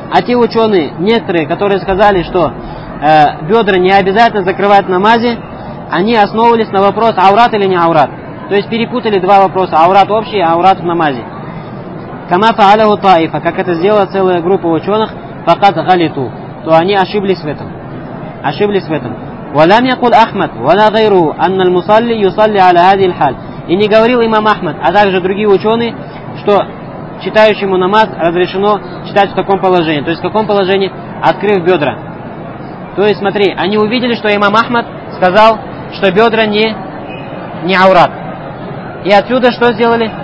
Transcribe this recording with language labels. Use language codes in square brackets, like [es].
[ru] А те ученые, некоторые, которые сказали, что бедра не обязательно закрывать в намазе, они основывались на вопрос аурат или не аурат. То есть перепутали два вопроса, аурат общий и аурат в намазе. Камафа аляху таифа, как это сделала целая группа ученых, [ar] فقط غلطوا, [ru] то они ошиблись в этом. Ошиблись в этом. [ar] ولم يقل احمد ولا غيره ان المصلي يصلي على هذه الحال. [ru] И не говорил имам Ахмад, а также другие ученые, что читающему намаз разрешено читать в таком положении, то есть в каком положении? Открыв бедра. То есть смотри, они увидели, что имам Ахмад сказал, что бедра не аурат. И отсюда что сделали?